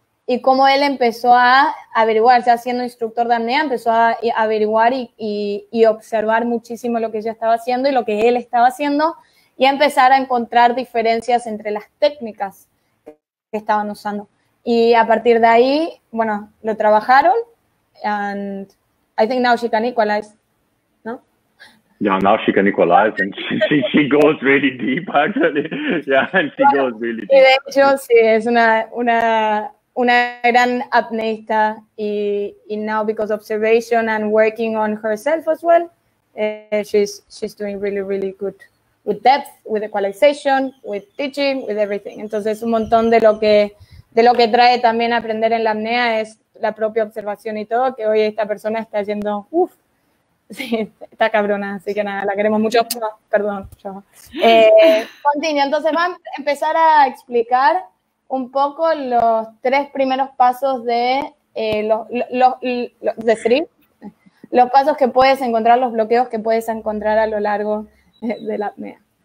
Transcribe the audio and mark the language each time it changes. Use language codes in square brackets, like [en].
[es] Y cómo él empezó a averiguar, ya siendo instructor de apnea, empezó a averiguar y observar muchísimo lo que ella estaba haciendo y lo que él estaba haciendo y a empezar a encontrar diferencias entre las técnicas que estaban usando. Y a partir de ahí, bueno, lo trabajaron. [en] And I think now she can equalize, ¿no? Yeah, now she can equalize and she goes really deep, actually. Yeah, and she goes really deep. [es] Y de hecho, sí, es una gran apneísta y [en] now because observation and working on herself as well, she's doing really, really good with depth, with equalization, with teaching, with everything. [es] Entonces, un montón de lo que trae también aprender en la apnea es la propia observación y todo, que hoy esta persona está yendo, uff, sí, está cabrona, así que nada, la queremos mucho. No, perdón, yo. Continúo, entonces va a empezar a explicar un poco los tres primeros pasos de los pasos que puedes encontrar, los bloqueos que puedes encontrar a lo largo de la apnea.